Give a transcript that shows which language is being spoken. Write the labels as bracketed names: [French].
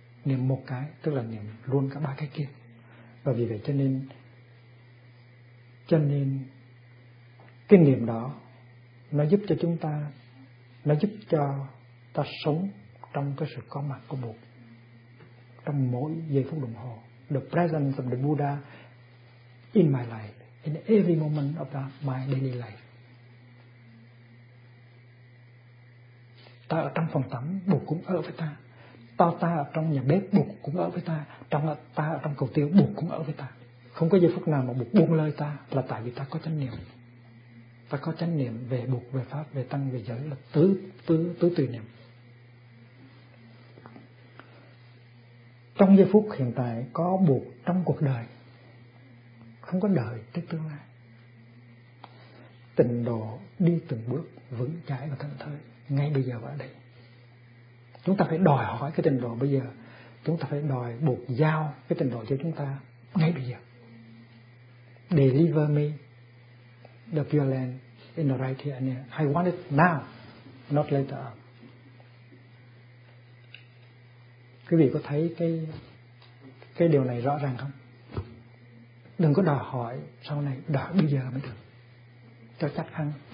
[Vietnamese] Niệm một cái tức là niệm luôn cả ba cái kia. Và vì vậy cho nên cái niệm đó nó giúp cho chúng ta, nó giúp cho ta sống trong cái sự có mặt của Bụt trong mỗi giây phút đồng hồ. [English] The presence of the Buddha in my life, in every moment of my daily life. [Vietnamese] Ta ở trong phòng tắm, Bụt cũng ở với ta. Ta ở trong nhà bếp, Bụt cũng ở với ta. Ta ở trong cầu tiêu, Bụt cũng ở với ta. Không có giây phút nào mà Bụt buông lơi ta là tại vì ta có chánh niệm. Ta có chánh niệm về Bụt, về Pháp, về Tăng, về Giới là tứ tùy niệm. Trong giây phút hiện tại có Bụt trong cuộc đời, không có đợi tới tương lai. Tịnh độ đi từng bước vững chãi và thảnh thơi ngay bây giờ và ở đây. Chúng ta phải đòi hỏi cái tịnh độ bây giờ. Chúng ta phải đòi Bụt giao cái tịnh độ cho chúng ta ngay bây giờ. [English] Deliver me the pure land in the right here and here. I want it now, not later. [Vietnamese] Quý vị có thấy cái điều này rõ ràng không? Đừng có đòi hỏi sau này, đợi bây giờ mới được. Cho chắc ăn.